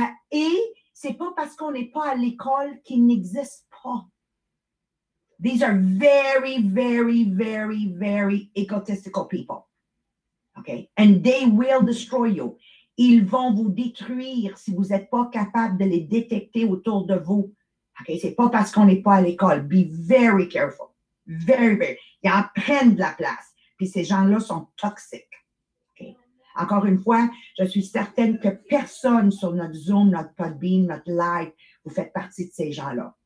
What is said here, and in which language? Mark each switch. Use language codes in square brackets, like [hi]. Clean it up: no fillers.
[fr] Et c'est pas parce qu'on n'est pas à l'école qu'ils n'existent pas. [en] These are very, very, very, very egotistical people. Okay. And they will destroy you. [fr] Ils vont vous détruire si vous n'êtes pas capable de les détecter autour de vous. Okay. C'est pas parce qu'on n'est pas à l'école. [en] Be very careful. Very, very. [fr] Ils en prennent de la place. Puis ces gens-là sont toxiques. Okay. Encore une fois, je suis certaine que personne sur notre Zoom, notre Podbean, notre Live, vous faites partie de ces gens-là.